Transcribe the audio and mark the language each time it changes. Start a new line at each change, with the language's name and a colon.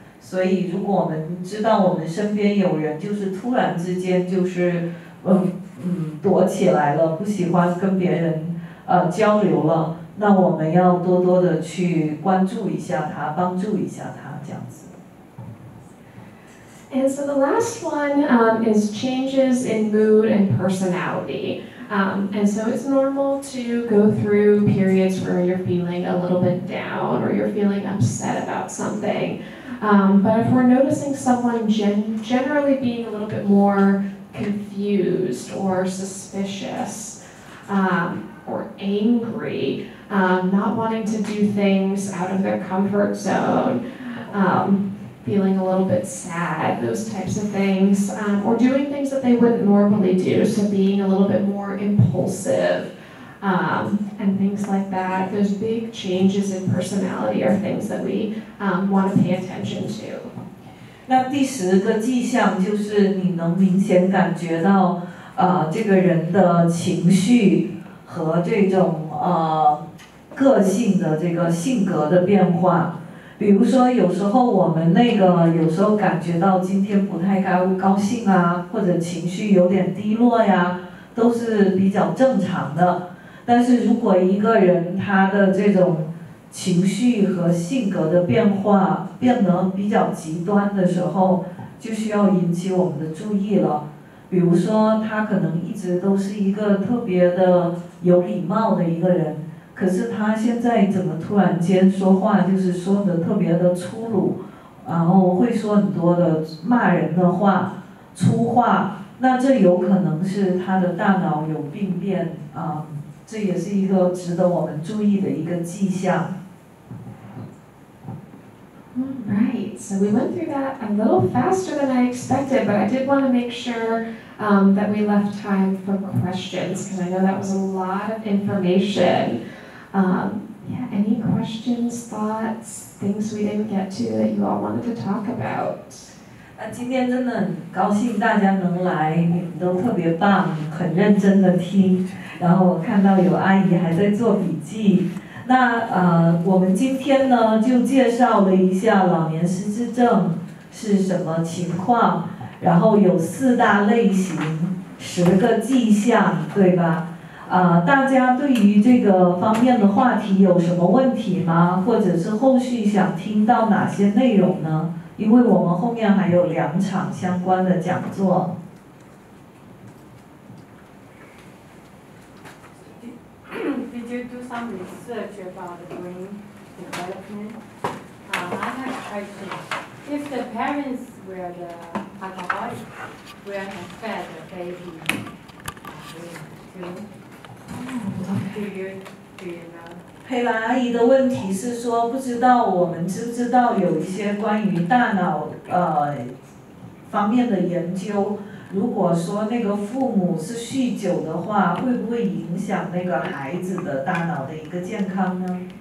Chinese: 所以如果我们知道我们身边有人就是突然之间就是躲起来了，不喜欢跟别人交流了，那我们要多多的去关注一下他，帮助一下他，这样子。
English: And so the last one is changes in mood and personality. And so it's normal to go through periods where you're feeling a little bit down or you're feeling upset about something. But if we're noticing someone generally being a little bit more confused or suspicious or angry, not wanting to do things out of their comfort zone, feeling a little bit sad, those types of things, or doing things that they wouldn't normally do, so being a little bit more impulsive, and things like that. Those big changes in personality are things that we want to pay attention to.
Chinese: 那第十个迹象就是你能明显感觉到这个人的情绪和这种个性的这个性格的变化。比如说有时候我们那个有时候感觉到今天不太高兴啊，或者情绪有点低落呀，都是比较正常的。但是如果一个人他的这种情绪和性格的变化变得比较极端的时候，就需要引起我们的注意了。比如说他可能一直都是一个特别的有礼貌的一个人，可是他现在怎么突然间说话就是说得特别的粗鲁，然后会说很多的骂人的话，粗话，那这有可能是他的大脑有病变啊，这也是一个值得我们注意的一个迹象。
English: Right, so we went through that a little faster than I expected, but I did want to make sure, that we left time for questions, because I know that was a lot of information. Yeah, any questions, thoughts, things we didn't get to that you all wanted to talk about?
Chinese: 今天真的很高兴大家能来，你们都特别棒，很认真的听，然后我看到有阿姨还在做笔记。那我们今天呢就介绍了一下老年失智症是什么情况，然后有四大类型，十个迹象，对吧？大家对于这个方面的话题有什么问题吗？或者是后续想听到哪些内容呢？因为我们后面还有两场相关的讲座。
English: Did you do some research about the brain development? I have a question. If the parents were the alcoholic, where have fed the baby brain too? Do you know?
Chinese: 佩兰阿姨的问题是说，不知道我们知不知道有一些关于大脑方面的研究，如果说那个父母是酗酒的话，会不会影响那个孩子的大脑的一个健康呢？